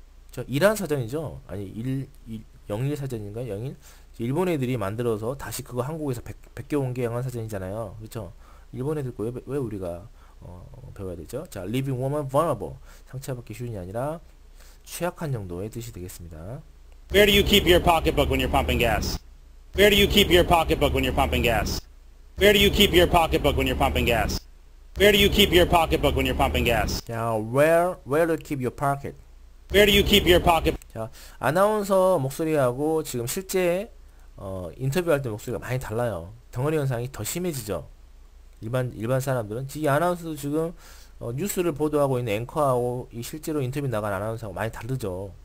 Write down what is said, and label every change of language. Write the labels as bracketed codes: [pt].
[ko] 저 이란 사전이죠. 아니 영일 사전인가요? 영일. 일본 애들이 만들어서 다시 그거 한국에서 베껴온 게 영안 사전이잖아요. 그렇죠? 일본 애들 거 왜 우리가 배워야 되죠? [en] 자, leaving woman vulnerable. [ko] 상처받기 쉬운이 아니라 취약한 정도의 뜻이 되겠습니다. [en] Where do you keep your pocketbook when you're pumping gas? Where do you keep your pocketbook when you're pumping gas? Where do you keep your pocketbook when you're pumping gas? Where do you keep your pocketbook when you're pumping gas? Now, where do you keep your pocket? Where do you keep your pocket? [ko] 자, 아나운서 목소리하고 지금 실제 인터뷰할 때 목소리가 많이 달라요. 덩어리 현상이 더 심해지죠. 일반 사람들은 이 아나운서도 지금 뉴스를 보도하고 있는 앵커하고 이 실제로 인터뷰 나간 아나운서하고 많이 다르죠.